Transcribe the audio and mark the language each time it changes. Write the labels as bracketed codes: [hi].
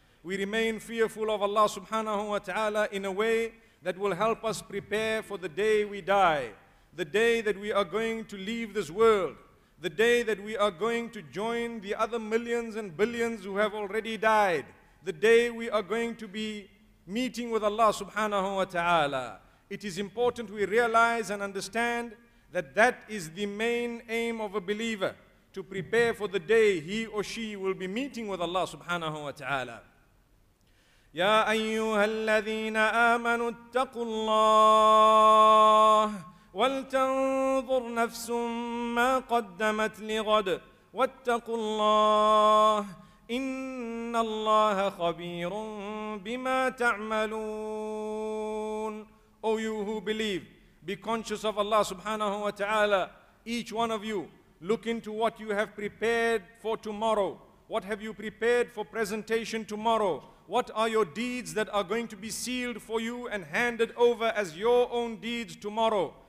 [en] We remain fearful of Allah subhanahu wa ta'ala in a way that will help us prepare for the day we die, the day that we are going to leave this world, the day that we are going to join the other millions and billions who have already died, the day we are going to be meeting with Allah subhanahu wa ta'ala. It is important we realize and understand that that is the main aim of a believer, to prepare for the day he or she will be meeting with Allah subhanahu wa ta'ala. [ar] يا أيها الذين آمنوا اتقوا الله ولتنظر نفس ما قدمت لغد واتقوا الله إن الله خبير بما تعملون. [en] O you who believe, be conscious of Allah subhanahu wa ta'ala. Each one of you, look into what you have prepared for tomorrow. What have you prepared for presentation tomorrow? What are your deeds that are going to be sealed for you and handed over as your own deeds tomorrow?